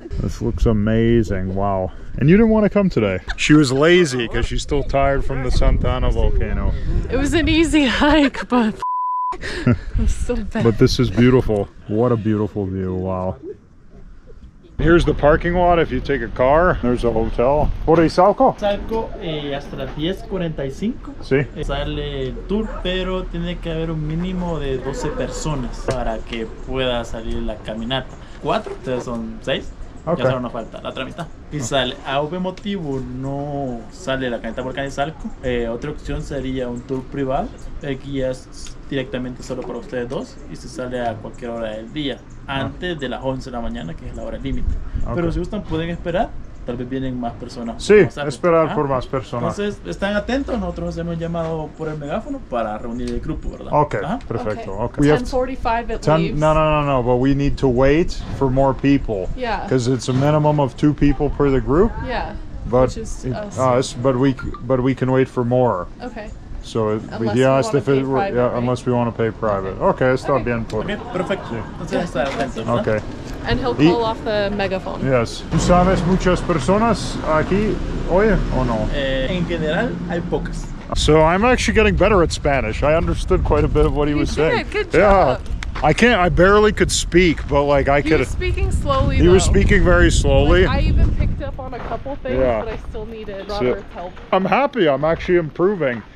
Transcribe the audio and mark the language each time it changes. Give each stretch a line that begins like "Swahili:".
English: This looks amazing. Wow. And you didn't want to come today. She was lazy because she's still tired from the Santana volcano. It was an easy hike, but I'm so bad. But this is beautiful. What a beautiful view. Wow. Here's the parking lot if you take a car. There's a hotel. What is Izalco?
Spanish: Izalco, hasta las 10:45. Sí. Sale el tour, pero tiene que haber un mínimo de 12 personas para que pueda salir la caminata. ¿Cuatro? Entonces son seis.
English: Okay.
Spanish: Ya solo nos falta la otra mitad. Y sale, a obvio motivo no sale la caminata por Volcano Izalco. Otra opción sería un tour privado. El guía es directamente solo para ustedes dos y se sale a cualquier hora del día. Antes de las 11 de la mañana, que es la hora límite.
English: Okay.
Spanish: Pero si gustan, pueden esperar tal vez vienen más personas. Sí, esperar por más personas. Entonces, están atentos. Nosotros les hemos llamado por el megáfono para reunir el grupo, ¿verdad? Okay, ¿ah? Perfecto. Okay.
English: 10:45 it leaves. No, but we need to wait for more people. Yeah. Because it's a minimum of 2 people per the group. Yeah. But us. But we can wait for more. Okay. So we asked if it were, private, yeah, right? Unless we want to pay private. Okay, está bien.
Spanish: Okay, perfecto. Entonces,
English: okay. And he'll call off the megaphone. Yes.
Spanish: ¿Tú sabes muchas personas aquí hoy o no? En general, hay pocas.
English: So I'm actually getting better at Spanish. I understood quite a bit of what he was saying. Good job. Yeah. I barely could speak, but like I could. He was speaking slowly. He though. Was speaking very slowly. Like, I even picked up on a couple things, yeah. But I still needed Robert's help. I'm happy. I'm actually improving.